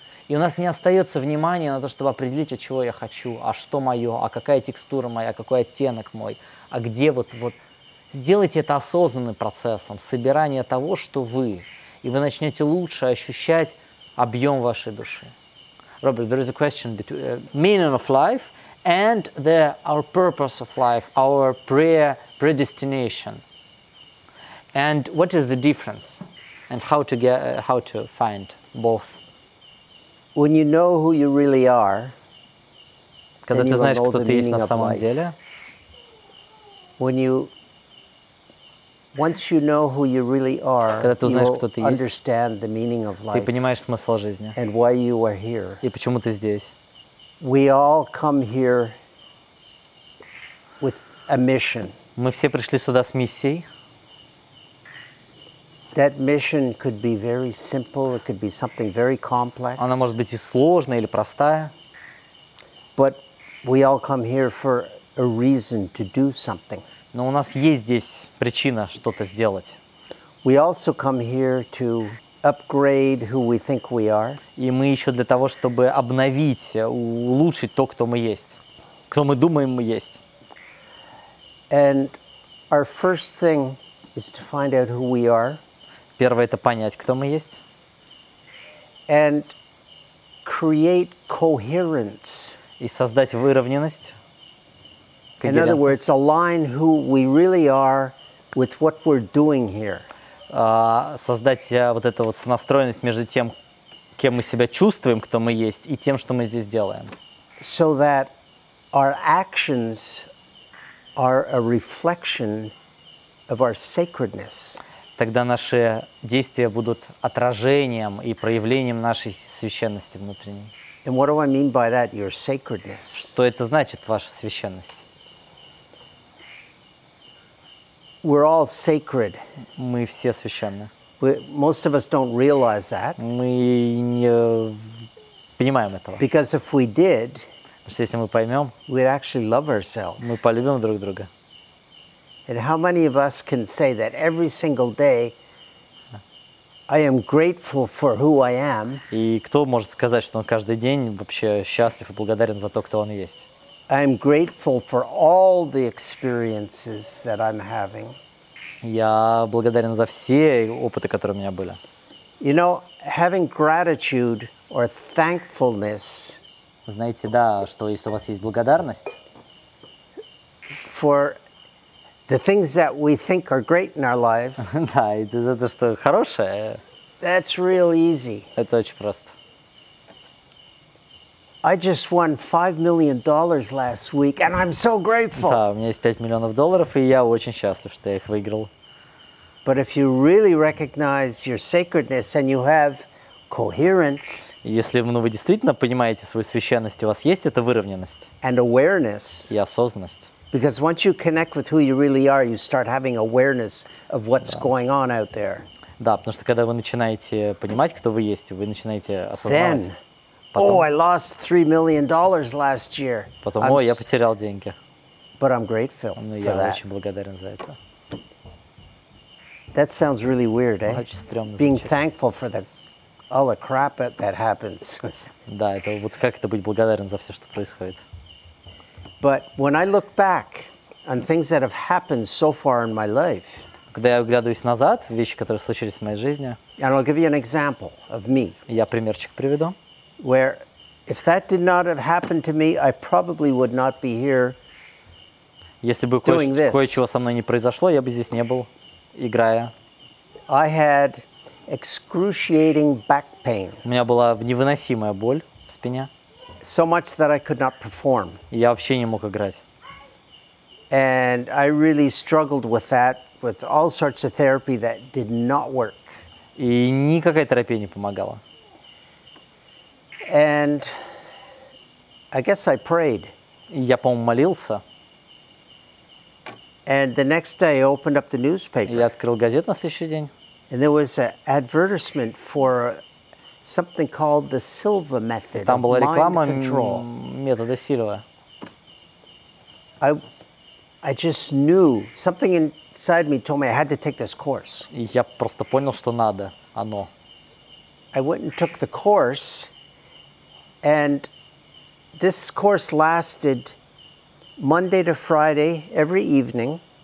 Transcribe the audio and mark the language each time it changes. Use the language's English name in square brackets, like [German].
[Russian] И у нас не остается внимания на то, чтобы определить, от чего я хочу, а что мое, а какая текстура моя, какой оттенок мой, а где вот... вот. Сделайте это осознанным процессом, собирание того, что вы, и вы начнете лучше ощущать объем вашей души. [English] Роберт, there is a question between meaning of life and the our purpose of life, our prayer, predestination. And what is the difference? And how to get, how to find both? When you know who you really are, [Russian] когда ты знаешь, кто ты есть на самом деле, [English] once you know who you really are, [Russian] когда ты узнаешь, кто ты есть, [English] understand the meaning of life, [Russian] ты понимаешь смысл жизни, [English] and why you are here, [Russian] и почему ты здесь. [English] We all come here with a mission. [Russian] Мы все пришли сюда с миссией. [English] That mission could be very simple, it could be something very complex. [Russian] Она может быть и сложная, или простая. [English] But we all come here for a reason to do something. [Russian] Но у нас есть здесь причина что-то сделать. [English] We also come here to upgrade who we think we are. [Russian] И мы еще для того, чтобы обновить, улучшить то, кто мы есть. Кто мы думаем, мы есть. [English] And our first thing is to find out who we are. [Russian] Первое – это понять, кто мы есть. [English] And create coherence. [Russian] И создать выровненность. [English] In other words, align who we really are with what we're doing here. [Russian] Создать вот эту вот сонастроенность между тем, кем мы себя чувствуем, кто мы есть, и тем, что мы здесь делаем. [English] So that our actions are a reflection of our sacredness. [Russian] Тогда наши действия будут отражением и проявлением нашей священности внутренней. [English] And what do I mean by that, your sacredness? [Russian] Что это значит, ваша священность? [English] We're all sacred. [Russian] Мы все священны. [English] Most of us don't realize that. [Russian] Мы не понимаем этого. [English] Because if we did, [Russian] потому что если мы поймем, [English] we'd actually love ourselves. [Russian] Мы полюбим друг друга. [English] And how many of us can say that every single day I am grateful for who I am? [Russian] И кто может сказать, что он каждый день вообще счастлив и благодарен за то, кто он есть? [English] I am grateful for all the experiences that I'm having. [Russian] Я благодарен за все опыты, которые у меня были. [English] You know, having gratitude or thankfulness. [Russian] Знаете, да, что если у вас есть благодарность [English] for the things that we think are great in our lives. [Russian] Да, это что хорошее. [English] That's real easy. [Russian] Это очень просто. [English] I just won $5 million last week, and I'm so grateful. [Russian] Да, у меня есть $5 миллионов, и я очень счастлив, что я их выиграл. [English] But if you really recognize your sacredness and you have coherence, [Russian] если вы действительно понимаете свою священность, у вас есть эта выровненность. [English] And awareness. [Russian] И осознанность. [English] Because once you connect with who you really are, you start having awareness of what's going on out there. [Russian] Да, потому что когда вы начинаете понимать, кто вы есть, вы начинаете осознавать. [English] Oh, I lost $3 million last year. [Russian] Потом, ой, я потерял деньги. [English] But I'm grateful for that. [Russian] Я очень благодарен за это. [English] That sounds really weird, eh? [Russian] Очень стрёмно. [English] Being thankful for the all the crap that happens. [Russian] Да, это вот как это быть благодарен за все, что происходит. [English] But when I look back on things that have happened so far in my life, [Russian] когда я оглядываюсь назад в вещи, которые случились в моей жизни, [English] and I'll give you an example of me. [Russian] Я примерчик приведу. [English] Where, if that did not have happened to me, I probably would not be here. [Russian] Если бы кое-чего со мной не произошло, я бы здесь не был, играя. [English] I had excruciating back pain. [Russian] У меня была невыносимая боль в спине. [English] So much that I could not perform. [Russian] Я вообще не мог играть. [English] And I really struggled with that, with all sorts of therapy that did not work. [Russian] И никакая терапия не помогала. [English] And I guess I prayed. [Russian] Я, по-моему, молился. [English] And the next day I opened up the newspaper. [Russian] Я открыл газету на следующий день. [English] And there was an advertisement for something called the Silva method. [Russian] Там была [English] of mind [Russian] реклама [English] control. [Russian] Метода Сильва. [English] I I just knew something inside me told me I had to take this course. [Russian] Я просто понял, что надо, оно. [English] I went and took the course, and this course lasted Monday to Friday every evening.